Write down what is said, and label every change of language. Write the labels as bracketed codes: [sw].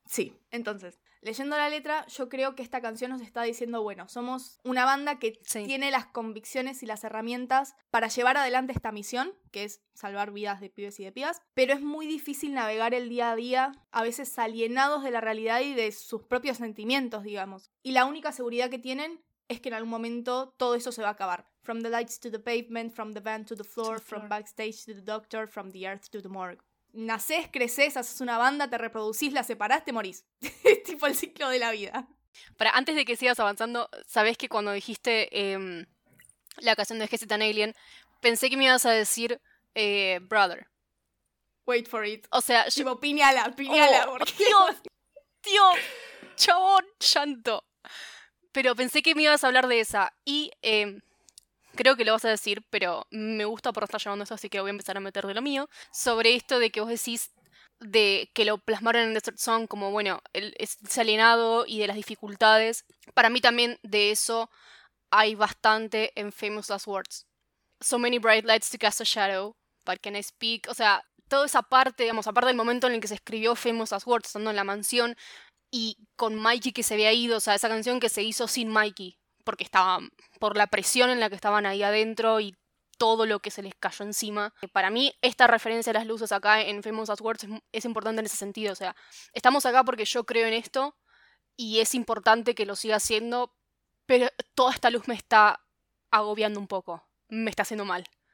[es] Sí, entonces, leyendo la letra, yo creo que esta canción nos está diciendo, bueno, somos una banda que sí tiene las convicciones y las herramientas para llevar adelante esta misión, que es salvar vidas de pibes y de pibas, pero es muy difícil navegar el día a día, a veces alienados de la realidad y de sus propios sentimientos, digamos. Y la única seguridad que tienen es que en algún momento todo eso se va a acabar. [en] From the lights to the pavement, from the van to the floor, from backstage to the doctor, from the earth to the morgue. [es] Nacés, creces, haces una banda, te reproducís, la separás, te morís. Es tipo el ciclo de la vida. Para, antes de que sigas avanzando, sabés que cuando dijiste la canción de Gesita Alien, pensé que me ibas a decir Brother. [en] Wait for it. [es] O sea, tipo, piñala. Tío, chabón, llanto. Pero pensé que me ibas a hablar de esa. Y creo que lo vas a decir, pero me gusta por estar llevando eso, así que voy a empezar a meter de lo mío. Sobre esto de que vos decís de que lo plasmaron en Desert Song como, bueno, el alienado y de las dificultades. Para mí también de eso hay bastante en Famous Last Words. [en] So many bright lights to cast a shadow, but can I speak? [es] O sea, toda esa parte, digamos, aparte del momento en el que se escribió Famous Last Words, estando en la mansión, y con Mikey que se había ido, o sea, esa canción que se hizo sin Mikey, porque estaba por la presión en la que estaban ahí adentro y todo lo que se les cayó encima. Para mí, esta referencia a las luces acá en Famous Last Words es importante en ese sentido. O sea, estamos acá porque yo creo en esto y es importante que lo siga haciendo, pero toda esta luz me está agobiando un poco, me está haciendo mal.